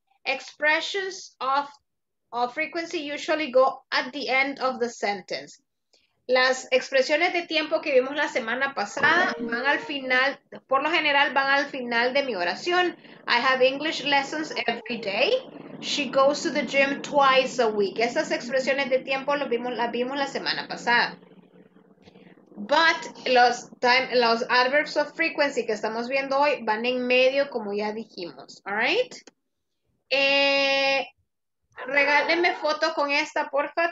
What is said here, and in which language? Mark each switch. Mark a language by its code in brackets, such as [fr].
[en] Expressions of frequency usually go at the end of the sentence. [es] Las expresiones de tiempo que vimos la semana pasada van al final, por lo general van al final de mi oración. [en] I have English lessons every day. She goes to the gym twice a week. [es] Esas expresiones de tiempo las vimos la semana pasada. But los adverbs of frequency que estamos viendo hoy van en medio, como ya dijimos. [en] All right? [es] Regálenme foto con esta, porfa.